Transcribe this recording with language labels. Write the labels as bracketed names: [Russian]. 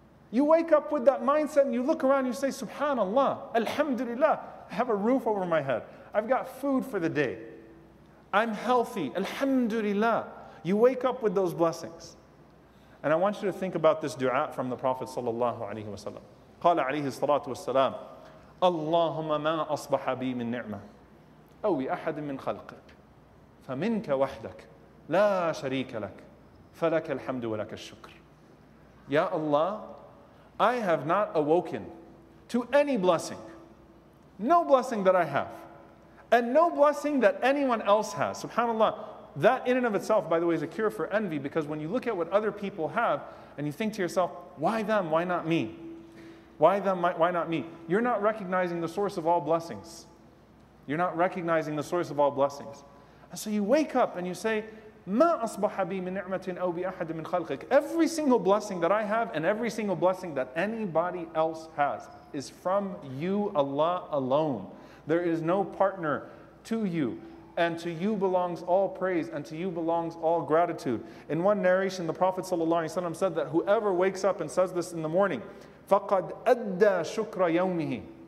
[English] You wake up with that mindset and you look around and you say, SubhanAllah, Alhamdulillah, I have a roof over my head. I've got food for the day. I'm healthy. Alhamdulillah. You wake up with those blessings. And I want you to think about this dua from the Prophet sallallahu alayhi wa sallam. [Arabic] قَالَ عَلَيْهِ الصَّلَاةُ وَالسَّلَامُ أَلَّهُمَّ مَا أَصْبَحَ بِي مِنْ نِعْمَةٍ أو أحد من خلقك فمنك وحدك لا شريك لك فلك الحمد ولك الشكر. [English] Ya Allah, I have not awoken to any blessing, no blessing that I have, and no blessing that anyone else has. SubhanAllah, that in and of itself, by the way, is a cure for envy, because when you look at what other people have and you think to yourself, why them, why not me? Why them, why not me? You're not recognizing the source of all blessings. You're not recognizing the source of all blessings. And so you wake up and you say, [Arabic] مَا أَصْبَحَ بِي مِنْ نِعْمَةٍ أَوْ بِأَحَدٍ مِنْ خَلْقِكَ. [English] Every single blessing that I have and every single blessing that anybody else has is from you, Allah alone. There is no partner to you. And to you belongs all praise, and to you belongs all gratitude. In one narration, the Prophet ﷺ said that whoever wakes up and says this in the morning, [Arabic] فَقَدْ أَدَّى شُكْرَ يَوْمِهِ.